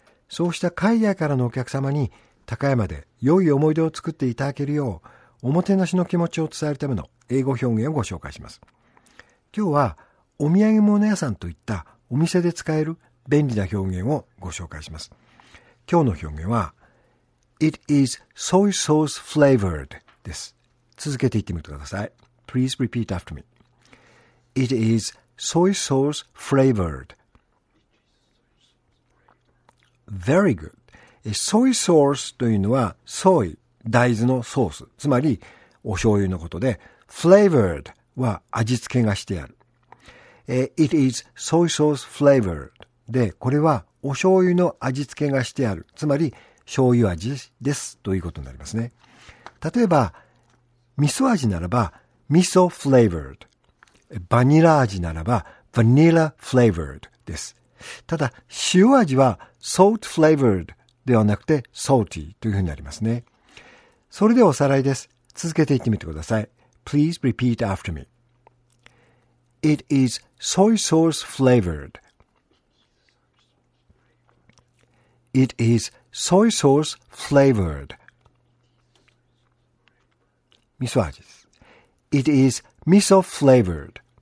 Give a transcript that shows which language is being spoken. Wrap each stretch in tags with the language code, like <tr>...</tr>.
<ja>そうした海外からのお客様に高山で良い思い出を作っていただけるよう、おもてなしの気持ちを伝えるための英語表現をご紹介します。今日はお土産物屋さんといったお店で使える便利な表現をご紹介します。今日の表現は、</ja> <en>It is soy sauce flavored</en> <ja>です。続けて言ってみてください。</ja> <en>Please repeat after me. It is soy sauce flavored. Very good.</en> <ja>Soy sauce というのは、soy、大豆のソース、つまりお醤油のことで、flavored は味付けがしてある。</ja> <en>It is soy sauce flavored.</en> <ja>で、これはお醤油の味付けがしてある。つまり、醤油味です。ということになりますね。例えば、味噌味ならば、味噌 flavored。バニラ味ならば、vanilla flavored です。ただ、塩味は、salt flavored ではなくて、salty というふうになりますね。それでおさらいです。続けて言ってみてください。</ja> <en>Please repeat after me. It is soy sauce flavored. It is soy sauce flavored.</en> <ja>味噌味です。</ja> <en>It is 味噌 flavored.</en>